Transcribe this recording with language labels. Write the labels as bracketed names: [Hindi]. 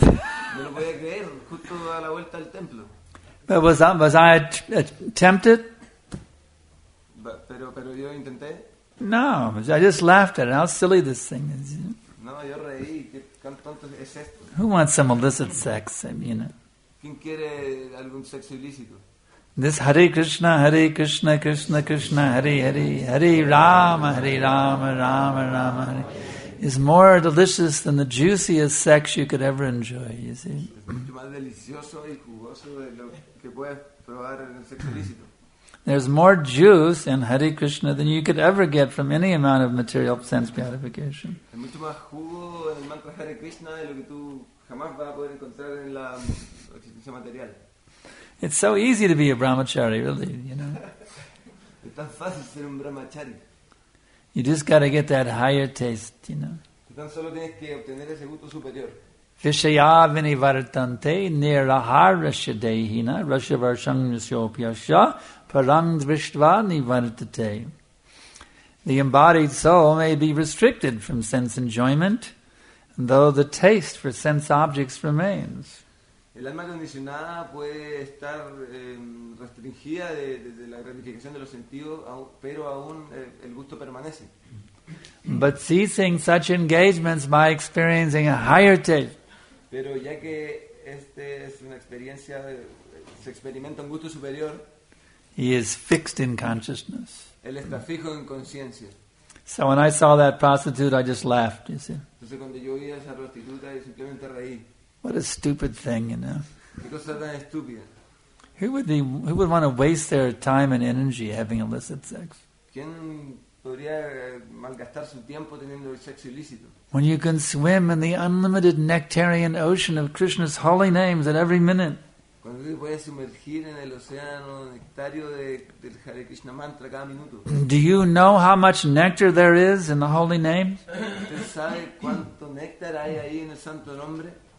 [Spanish] No lo podía creer, justo a la vuelta del templo. [English] But was I tempted? [Spanish] Pero yo intenté. [English] No, I just laughed at it. How silly this thing is. [Spanish] No, yo reí. ¿Qué tonto es esto? [English] Who wants some illicit sex? I mean, [Spanish] ¿quién quiere algún sexo ilícito? [English] This Hare Krishna, Krishna, Krishna, Hare Hare, Hare Rama, Rama, Rama, Hare, is more delicious than the juiciest sex you could ever enjoy, you see. [Spanish] Es mucho más delicioso y jugoso de lo que puedes probar en el sexo ilícito. [English] There's more juice in Hare Krishna than you could ever get from any amount of material sense gratification. [Spanish] Hay mucho más jugo en el mantra Hare Krishna de lo que tú jamás vas a poder encontrar en la existencia existencia material. [English] It's so easy to be a brahmachari, really, you know. [Spanish] Es tan fácil ser un brahmachari. [English] You just got to get that higher taste, you know. [Spanish] Tan solo tienes que obtener ese gusto superior. [Sanskrit] Vishaya vinivartante nirahara-shadehina rasa-varsham-nisyopyasya param-drishtva nivartate. [English] The embodied soul may be restricted from sense enjoyment, though the taste for sense objects remains. [Spanish] El alma condicionada puede estar restringida de la gratificación de los sentidos, pero aún el gusto permanece. [English] But ceasing such engagements by experiencing a higher taste. [Spanish] Pero ya que este es una experiencia, se experimenta un gusto superior. [English] He is fixed in consciousness. [Spanish] Él está fijo en conciencia. [English] So when I saw that prostitute, I just laughed. You see. [Spanish] Entonces cuando yo vi a esa prostituta, yo simplemente reí. [English] What a stupid thing, you know. [Spanish] Qué cosa tan estúpida. [English] Who would want to waste their time and energy having illicit sex? [Spanish] ¿Quién podría malgastar su tiempo teniendo el sexo ilícito? [English] When you can swim in the unlimited nectarian ocean of Krishna's holy names at every minute. [Spanish] Cuando tú puedes sumergir en el océano nectario del Hare Krishna mantra cada minuto. [English] Do you know how much nectar there is in the holy names? [Spanish] ¿Usted sabe cuánto néctar hay ahí en el santo nombre?